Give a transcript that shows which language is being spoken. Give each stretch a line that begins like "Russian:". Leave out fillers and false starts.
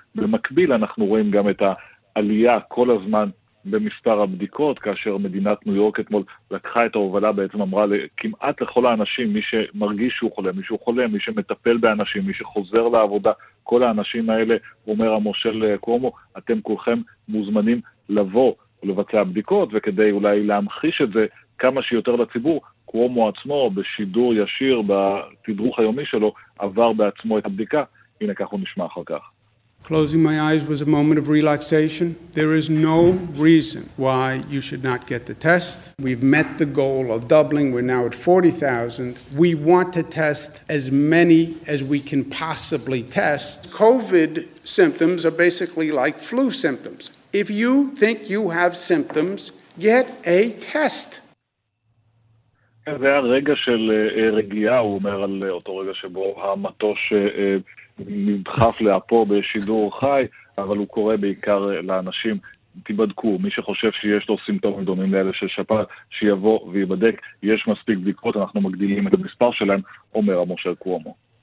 Hebrew: במקביל אנחנו רואים גם את העלייה כל הזמן במספר הבדיקות, כאשר מדינת ניו יורק אתמול לקחה את ההובלה, בעצם אמרה כמעט לכל האנשים, מי שמרגיש שהוא חולה, מי שהוא חולה, מי שמטפל באנשים, מי שחוזר לעבודה, כל האנשים האלה, אומר המושל קומו, אתם כולכם מוזמנים לבוא ולבצע בדיקות, וכדי אולי להמחיש את זה כמה שיותר לציבור, קומו עצמו בשידור ישיר בתדרוך היומי שלו עבר בעצמו את הבדיקה. הנה כך הוא נשמע אחר כך.
English: Closing my eyes was a moment of relaxation. There is no reason why you should not get the test. We've met the goal of doubling. We're now at 40,000. We want to test as many as we can possibly test. COVID symptoms are basically like flu symptoms. If you think you have symptoms, get a test.
Hebrew: זה היה רגע של רגיעה, הוא אומר על אותו רגע שבו המטוש נדחף לאפו בשידור חי, אבל הוא קורא בעיקר לאנשים, תיבדקו, מי שחושב שיש לו סימפטומים דומים לאלה של שפעת, שיבוא ויבדק, יש מספיק בדיקות, אנחנו מגדילים את המספר שלהם, אומר המושל קוומו.